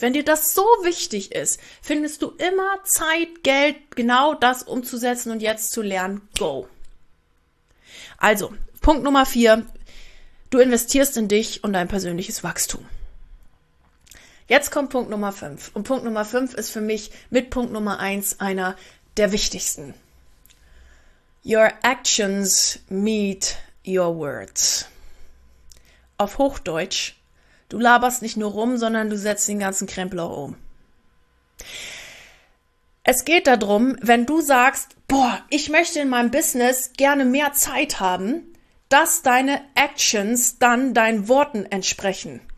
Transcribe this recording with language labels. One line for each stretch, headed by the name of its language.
German: Wenn dir das so wichtig ist, findest du immer Zeit, Geld, genau das umzusetzen und jetzt zu lernen. Go! Also, Punkt Nummer 4. Du investierst in dich und dein persönliches Wachstum. Jetzt kommt Punkt Nummer 5. Und Punkt Nummer 5 ist für mich mit Punkt Nummer 1 einer der wichtigsten.
English: Your actions meet your words.
German: Auf Hochdeutsch, du laberst nicht nur rum, sondern du setzt den ganzen Krempel auch um. Es geht darum, wenn du sagst, boah, ich möchte in meinem Business gerne mehr Zeit haben, dass deine Actions dann deinen Worten entsprechen.